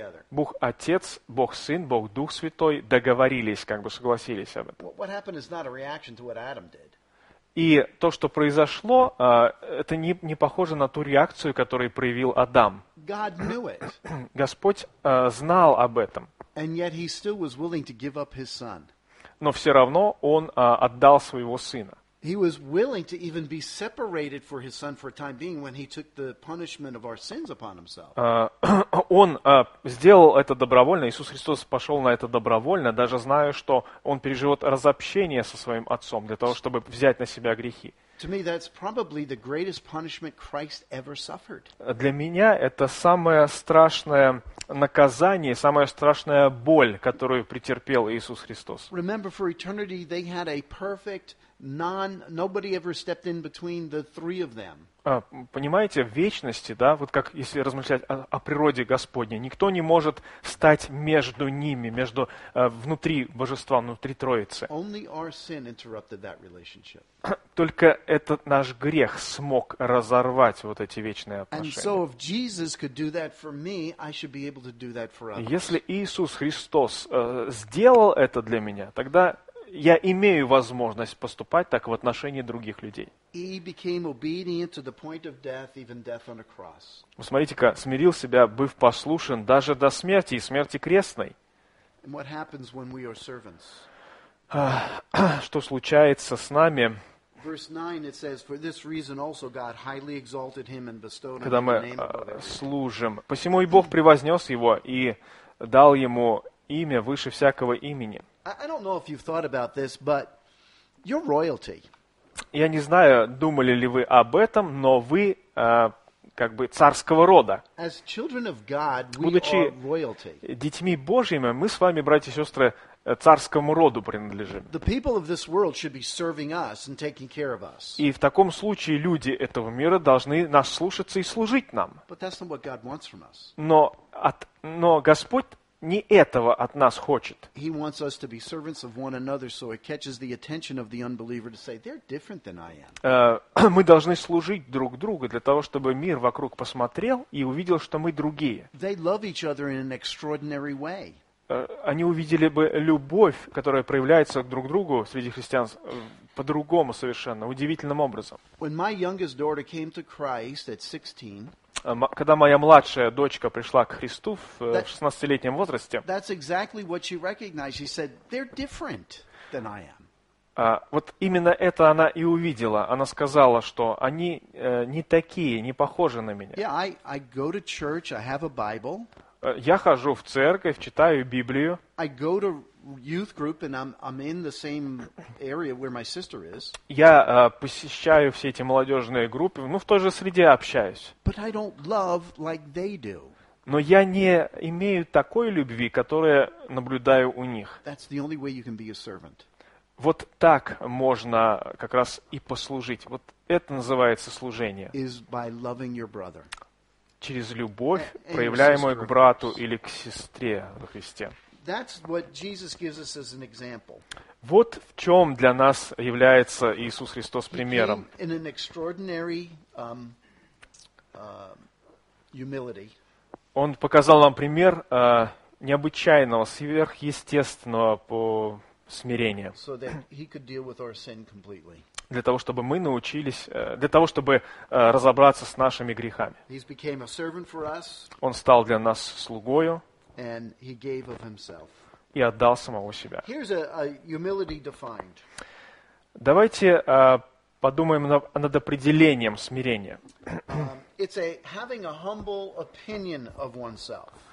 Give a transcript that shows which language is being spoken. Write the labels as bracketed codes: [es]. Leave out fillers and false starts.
[ru] Бог Отец, Бог Сын, Бог Дух Святой договорились, как бы согласились об этом. [en] What happened is not a reaction to what Adam did. [ru] И то, что произошло, это не похоже на ту реакцию, которую проявил Адам. [en] God knew it. [ru] Господь знал об этом. [en] And yet he still was willing to give up his son. [ru] Но все равно он отдал своего сына. [en] He was willing to even be separated for his son for a time being when he took the punishment of our sins upon himself. [ru] Он сделал это добровольно. Иисус Христос пошел на это добровольно, даже зная, что он переживет разобщение со своим отцом для того, чтобы взять на себя грехи. [en] To me, that's probably the greatest punishment Christ ever suffered. [ru] Для меня это самое страшное наказание, самая страшная боль, которую претерпел Иисус Христос. [en] Remember, for eternity they had a perfect nobody ever stepped in between the three of them. [ru] Понимаете, в вечности, да, вот как если размышлять о природе Господней, никто не может стать между ними, между внутри Божества, внутри Троицы. [en] Only our sin interrupted that relationship. [ru] Только этот наш грех смог разорвать вот эти вечные отношения. [en] And so if Jesus could do that for me, I should be able to do that for others. [ru] Если Иисус Христос сделал это для меня, тогда я имею возможность поступать так в отношении других людей. Смотрите-ка, смирил себя, быв послушен даже до смерти и смерти крестной. Что случается с нами? [en] Verse 9 it says, for this reason also God highly exalted him and bestowed him the name above. [ru] Когда мы служим, посему и Бог превознес его и дал ему имя выше всякого имени. [en] I don't know if you've thought about this, but you're royalty. [ru] Я не знаю, думали ли вы об этом, но вы как бы царского рода. [en] As children of God, we [ru] будучи [en] are royalty. [ru] Детьми Божьими, мы с вами, братья и сестры, царскому роду принадлежим. [en] The people of this world should be serving us and taking care of us. [ru] И в таком случае люди этого мира должны нас слушаться и служить нам. [en] But that's not what God wants from us. [ru] Но Господь не этого от нас хочет. [en] He wants us to be servants of one another, so it catches the attention of the unbeliever to say they're different than I am. [ru] Мы должны служить друг другу для того, чтобы мир вокруг посмотрел и увидел, что мы другие. [en] They love each other in an extraordinary way. [ru] Они увидели бы любовь, которая проявляется друг к другу среди христиан по-другому совершенно, удивительным образом. [en] When my youngest daughter came to Christ at 16, [ru] когда моя младшая дочка пришла к Христу в 16-летнем возрасте, [en] that's exactly what she recognized. She said, they're different than I am. [ru] Вот именно это она и увидела. Она сказала, что они не такие, не похожи на меня. [en] Yeah, I go to church, I have a Bible. [ru] Я хожу в церковь, читаю Библию. [en] I go to youth group and I'm in the same area where my sister is. [ru] Я посещаю все эти молодежные группы, ну, в той же среде общаюсь. [en] But I don't love like they do. [ru] Но я не имею такой любви, которую наблюдаю у них. [en] That's the only way you can be a servant. [ru] Вот так можно как раз и послужить. Вот это называется служение. [en] Is by loving your brother. [ru] Через любовь, проявляемую к брату или к сестре во Христе. [en] That's what Jesus gives us as an example. [ru] Вот в чем для нас является Иисус Христос примером. [en] He came in an extraordinary humility. [ru] Он показал нам пример необычайного, сверхъестественного по смирению. [en] So that he could deal with our sin completely. [ru] Для того, чтобы мы научились, для того, чтобы разобраться с нашими грехами. [en] He's became a servant for us. [ru] Он стал для нас слугою. [en] And he gave of himself. [ru] И отдал самого себя. [en] Here's a humility defined. [ru] Давайте подумаем над определением смирения. [en] It's a having a humble opinion of oneself.